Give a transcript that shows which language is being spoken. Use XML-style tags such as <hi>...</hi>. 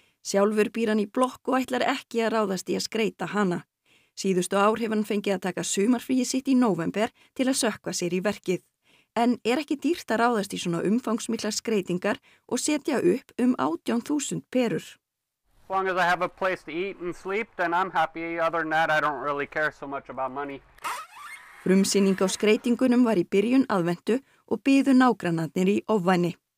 <is>Sjálfur býr hann í blokk og ætlar ekki að ráðast í að skreita hana. Síðustu ár hefur hann fengið að taka sumarfríi sitt í nóvember til að sökkva sér í verkið. En er ekki dýrt að ráðast í svona umfangsmiklar skreitingar og setja upp 18.000 perur?</is> <en>As long as I have a place to eat and sleep, then I'm happy. Other than that, I don't really care so much about money.</en> <is>Frumsýning á skreitingunum var í byrjun aðventu og biðu nágrannarnir í óvæni.</is>